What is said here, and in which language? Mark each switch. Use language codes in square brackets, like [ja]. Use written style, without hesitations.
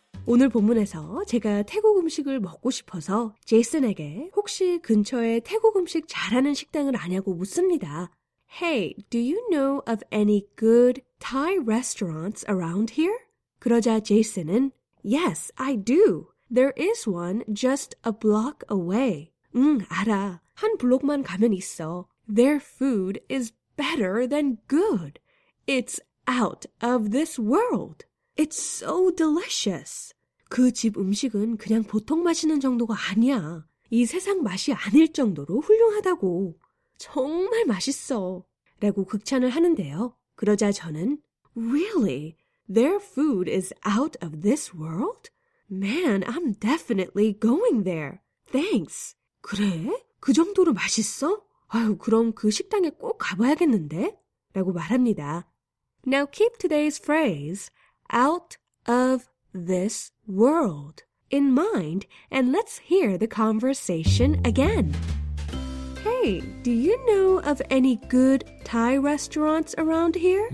[ko] 오늘 본문에서 제가 태국 음식을 먹고 싶어서 제이슨에게 혹시 근처에 태국 음식 잘하는 식당을 아냐고 묻습니다. [en] Hey, do you know of any good Thai restaurants around here? [ko] 그러자 제이슨은 [en] Yes, I do. There is one just a block away. [ko] 응, 알아. 한 블록만 가면 있어. [en] Their food is better than good. It's out of this world. It's so delicious. [ko] 그 집 음식은 그냥 보통 맛있는 정도가 아니야. 이 세상 맛이 아닐 정도로 훌륭하다고. 정말 맛있어. 라고 극찬을 하는데요. 그러자 저는 [en] Really? Their food is out of this world? Man, I'm definitely going there. Thanks. [ko] 그래? 그 정도로 맛있어? 아유, 그럼 그 식당에 꼭 가봐야겠는데? 라고 말합니다. [en] Now keep today's phrase, out of this world, in mind, and let's hear the conversation again. Hey, do you know of any good Thai restaurants around here?